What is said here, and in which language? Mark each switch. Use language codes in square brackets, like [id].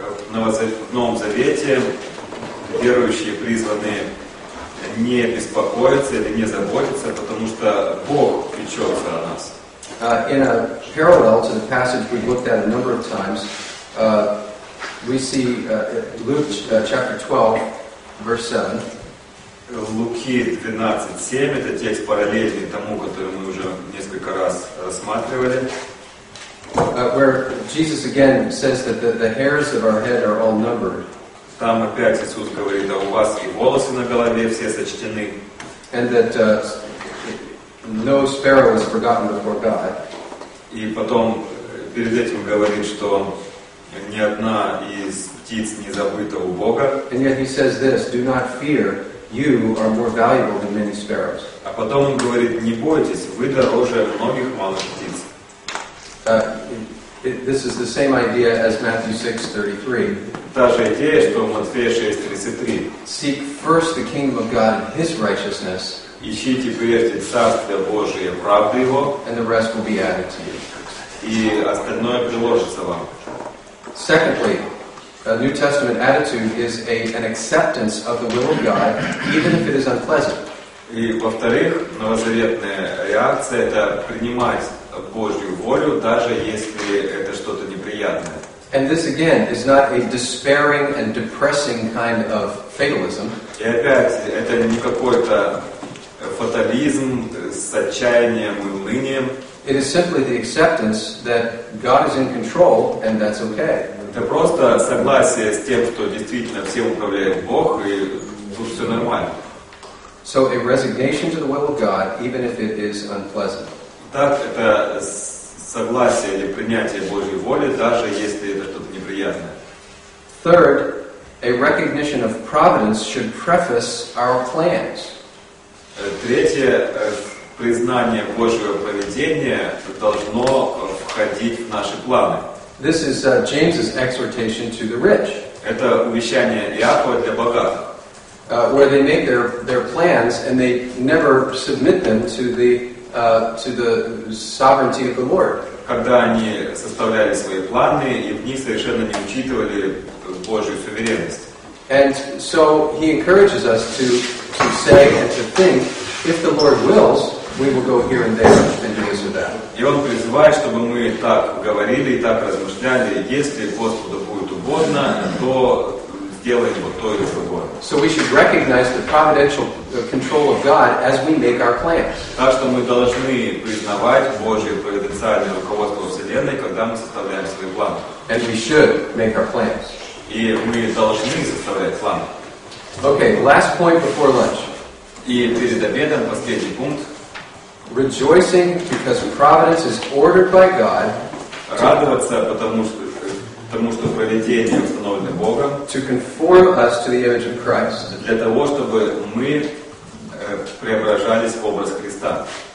[ru] В Новом Завете верующие призваны не беспокоиться или не заботиться, потому что Бог печется о нас. [en] In a parallel to the passage we've looked at a number of times, we see chapter 12, verse 7. [ru] В Луки 12:7 это текст параллельный тому, который мы уже несколько раз рассматривали. [en] Where Jesus again says that the hairs of our head are all numbered. [ru] Там опять Иисус говорит, а у вас и волосы на голове все сочтены. [en] And that no sparrow is forgotten before God. [ru] И потом перед этим говорит, что ни одна из птиц не забыта у Бога. [en] And yet he says this: Do not fear. You are more valuable than many sparrows. [ru] А потом он говорит, не бойтесь, вы дороже многих малых птиц. [en] This is the same idea as Matthew 6:33. [ru] Та же идея, что в Матфея 6:33. [en] Seek first the kingdom of God and His righteousness. [ru] Ищите прежде Царствие Божие, правды Его. [en] And the rest will be added to you. [ru] И остальное приложится вам. [en] Secondly, a New Testament attitude is an acceptance of the will of God, even if it is unpleasant. [ru] И во-вторых, новозаветная реакция — это принимать Божью волю, даже если это что-то неприятное. [en] And this again is not a despairing and depressing kind of fatalism. [ru] И опять, это не какой-то фатализм с отчаянием и унынием. [en] It is simply the acceptance that God is in control, and that's okay. [ru] Это просто согласие с тем, что действительно всем управляет Бог, и тут все нормально. [en] So a resignation to the will of God, even if it is unpleasant. [ru] Так, это согласие или принятие Божьей воли, даже если это что-то неприятное. [en] Third, a recognition of providence should preface our plans. [ru] Третье, признание Божьего поведения должно входить в наши планы. [en] This is James's exhortation to the rich. [ru] Это увещание Иакова для богатых. [en] Where they make their plans and they never submit them to the sovereignty of the Lord. [ru] Когда они составляли свои планы и в них совершенно не учитывали Божью суверенность. [en] And so he encourages us to say and to think, if the Lord wills, we will go here and there and do this or that. [ru] И он призывает, чтобы мы так говорили и так размышляли, если Господу будет угодно, то сделаем вот то и другое. [en] So we should recognize the providential control of God as we make our plans. [ru] Так что мы должны признавать Божье провиденциальное руководство Вселенной, когда мы составляем свои планы. [en] And we should make our plans. [ru] И мы должны составлять планы. [en] Okay, last point before lunch. [ru] И перед обедом последний пункт. [en] Rejoicing because providence is ordered by God. [ru] Радоваться потому что провидение установлено Богом. [en] To conform us to the image of Christ. [ru] Для того чтобы мы преображались в образ Христа.